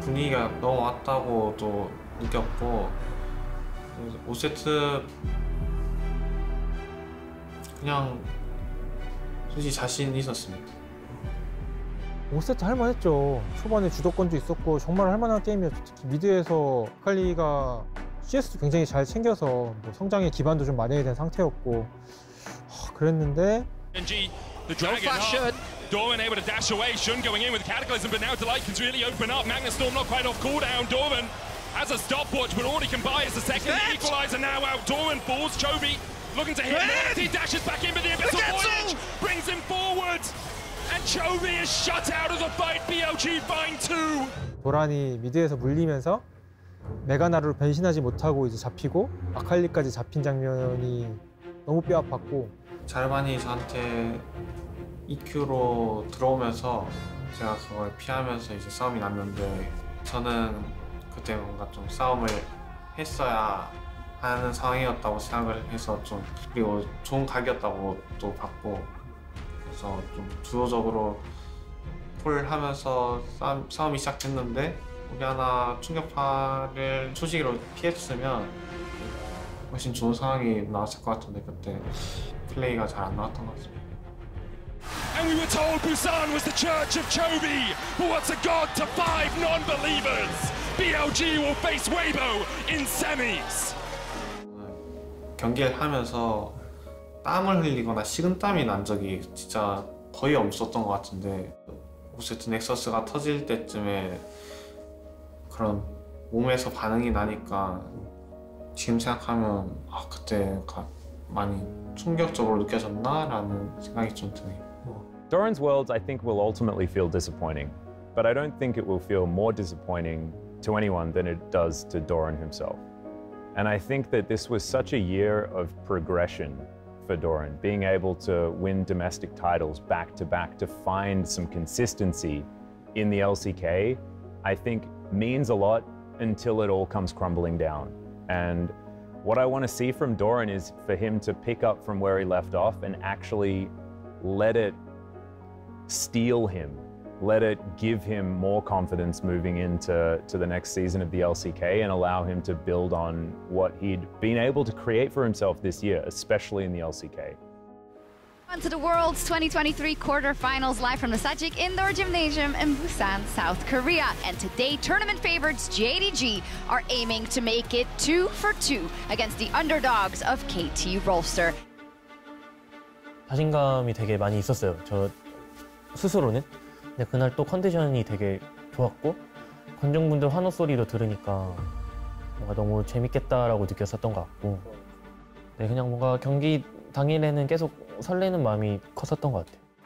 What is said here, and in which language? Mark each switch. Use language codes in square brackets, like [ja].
[ko] 분위기가 너무 왔다고도 느꼈고 5세트 그냥 솔직히 자신 있었습니다. 5세트 할만했죠. 초반에 주도권도 있었고 정말 할만한 게임이었죠. 특히 미드에서 칼리가 CS도 굉장히 잘 챙겨서 뭐 성장의 기반도 좀 마련이 된 상태였고 그랬는데 [en] NG, the dragon, Doran able to dash away, Shun going in with Cataclysm, but now Delight can really open up, Magna Storm not quite off cooldown, Doran has a stopwatch, but all he can buy is the second equalizer now out, Doran falls, Chovy looking to hit him, he dashes back in, but the Abyssal Voyage brings him forward, and Chovy is shut out of the fight, BLG find two. [ko] 도란이 미드에서 물리면서 메가나루로 변신하지 못하고 이제 잡히고 아칼리까지 잡힌 장면이 너무 뼈아팠고 자르반이 저한테 EQ로 들어오면서 제가 그걸 피하면서 이제 싸움이 났는데 저는 그때 뭔가 좀 싸움을 했어야 하는 상황이었다고 생각을 해서 좀 그리고 좋은 각이었다고 또 봤고 그래서 좀 주도적으로 폴 하면서 싸움이 시작됐는데 우리 하나 충격파를 초시기로 피해줬으면 훨씬 좋은 상황이 나왔을 것 같은데 그때 플레이가 잘 안 나왔던 것 같습니다. [en] And we were told Busan was the church of Chovy, but what's a god to five non-believers? BLG will face Weibo in semis. 경기를 하면서 땀을 흘리거나 식은땀이 난 적이 진짜 거의 없었던 것 같은데 어쨌든 넥서스가 터질 때쯤에 그런 몸에서 반응이 나니까 지금 생각하면 아 그때가 많이 충격적으로 느껴졌나라는 생각이 좀 드네요. Doran's Worlds, I think, will ultimately feel disappointing, but I don't think it will feel more disappointing to anyone than it does to Doran himself. And I think that this was such a year of progression for Doran, being able to win domestic titles back to back to find some consistency in the LCK. I think. Means a lot until it all comes crumbling down. And what I want to see from Doran is for him to pick up from where he left off and actually let it steal him, let it give him more confidence moving into the next season of the LCK and allow him to build on what he'd been able to create for himself this year, especially in the LCK. On to the World's 2023 quarterfinals live from the Sajik Indoor Gymnasium in Busan, South Korea. And today, tournament favorites JDG are aiming to make it 2-for-2 against the underdogs of KT Rolster. [ko] 자신감이 되게 많이 있었어요, 저 스스로는. 근데 그날 또 컨디션이 되게 좋았고 관중분들 환호 소리도 들으니까 뭔가 너무 재밌겠다라고 느꼈었던 것 같고 네, 그냥 뭔가 경기 당일에는 계속 설레는 마음이 컸었던 것 같아요.